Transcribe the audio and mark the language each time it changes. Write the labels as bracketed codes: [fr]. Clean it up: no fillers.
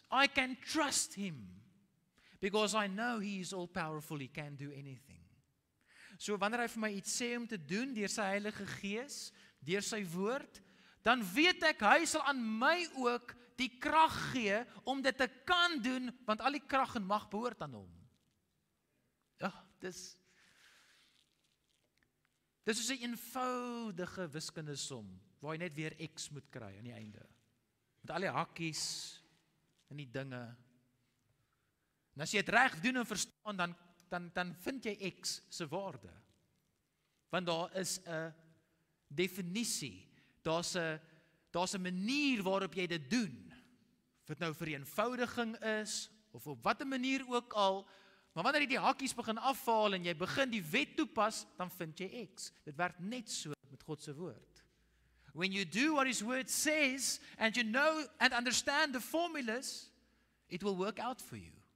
[en] I can trust him, because I know he is all powerful, he can do anything. [af] So wanneer hy vir my iets sê om te doen, deur sy Heilige Gees, deur sy woord, dan weet ek, hy sal aan my ook die krag gee, om dit te kan doen, want al die krag en mag behoort aan hom. Ja, dis is 'n eenvoudige wiskunde som, waar jy net weer X moet kry aan die einde. Met al die hakkies, en die dinge. En as jy het reg doen en verstaan, dan vind jy X se waarde. Want daar is 'n definisie, daar's 'n manier waarop jy dit doen, of dit nou vereenvoudiging is, of op wat 'n manier ook al, maar wanneer jy die hakkies begin afhaal, en jy begin die wet toepas, dan vind jy X. Dit werk net so met God se woord. [en] When you do what his word says, and you know and understand the formulas, it will work out for you.